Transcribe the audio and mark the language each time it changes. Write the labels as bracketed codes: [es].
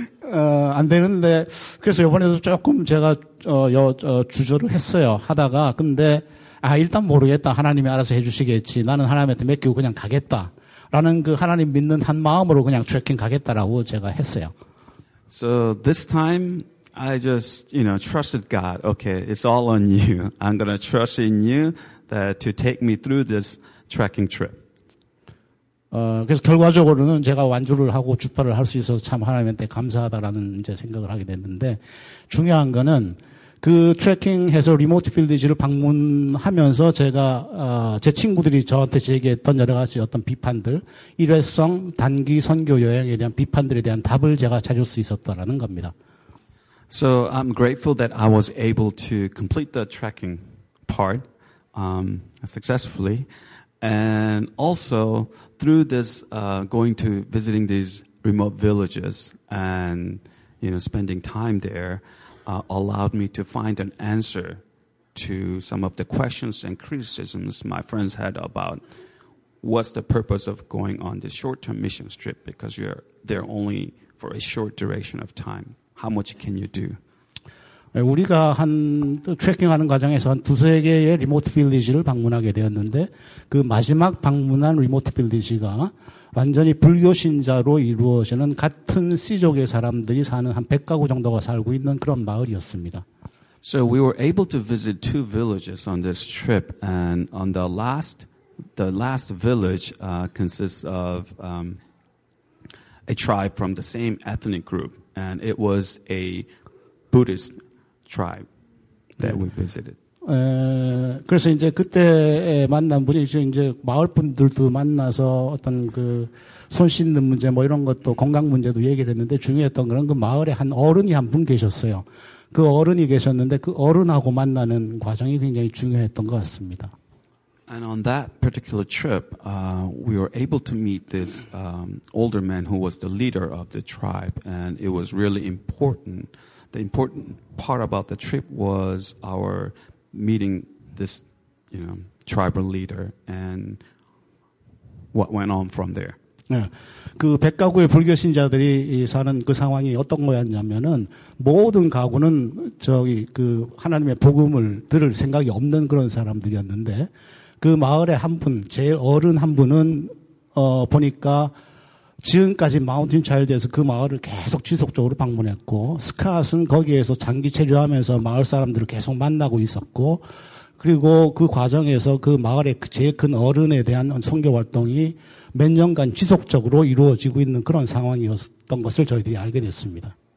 [ko] 안 되는데 그래서 이번에도 조금 제가 주저를 했어요. 하다가 근데... 일단 모르겠다. 하나님이 알아서 해주시겠지. 나는 하나님한테 맡기고 그냥 가겠다. 라는 그 하나님 믿는 한 마음으로 그냥 트레킹 가겠다라고 제가 했어요. [en] So this time, I just, you know, trusted God. Okay, it's all on you. I'm going to trust in you that to take me through this trekking trip. [ko] 그래서 결과적으로는 제가 완주를 하고 주파를 할 수 있어서 참 하나님한테 감사하다라는 이제 생각을 하게 됐는데 중요한 거는 그 트래킹해서 리모트 빌리지를 방문하면서 제가 제 친구들이 저한테 제기했던 여러 가지 어떤 비판들 일회성 단기 선교 여행에 대한 비판들에 대한 답을 제가 찾을 수 있었다라는 겁니다. [en] So I'm grateful that I was able to complete the trekking part successfully, and also through this going to visiting these remote villages and you know spending time there. Allowed me to find an answer to some of the questions and criticisms my friends had about what's the purpose of going on this short-term missions trip because you're there only for a short duration of time. How much can you do? [ko] 우리가 한 트래킹하는 과정에서 한 두세 개의 리모트 빌리지를 방문하게 되었는데 그 마지막 방문한 리모트 빌리지가 완전히 불교 신자로 이루어지는 같은 씨족의 사람들이 사는 한 100가구 정도가 살고 있는 그런 마을이었습니다. [en] So we were able to visit two villages on this trip and on the last village consists of a tribe from the same ethnic group and it was a Buddhist tribe that we visited. [ko] 그래서 이제 그때 만난 분이 이제 마을 분들도 만나서 어떤 그 손 씻는 문제 뭐 이런 것도 건강 문제도 얘기를 했는데 중요했던 그런 그 마을에 한 어른이 한 분 계셨어요. 그 어른이 계셨는데 그 어른하고 만나는 과정이 굉장히 중요했던 것 같습니다. [en] And on that particular trip, we were able to meet this older man who was the leader of the tribe, and it was really important. The important part about the trip was our meeting this, you know, tribal leader and what went on from there. [ko] 네. 그 백가구의 불교 신자들이 사는 그 상황이 어떤 거였냐면은 모든 가구는 저기 그 하나님의 복음을 들을 생각이 없는 그런 사람들이었는데 그 마을의 한 분, 제일 어른 한 분은 보니까 지금까지 마운틴 차일드에서 그 마을을 계속 지속적으로 방문했고 스캇은 거기에서 장기 체류하면서 마을 사람들을 계속 만나고 있었고 그리고 그 과정에서 그 마을의 제일 큰 어른에 대한 선교 활동이 몇 년간 지속적으로 이루어지고 있는 그런 상황이었던 것을 저희들이 알게 됐습니다.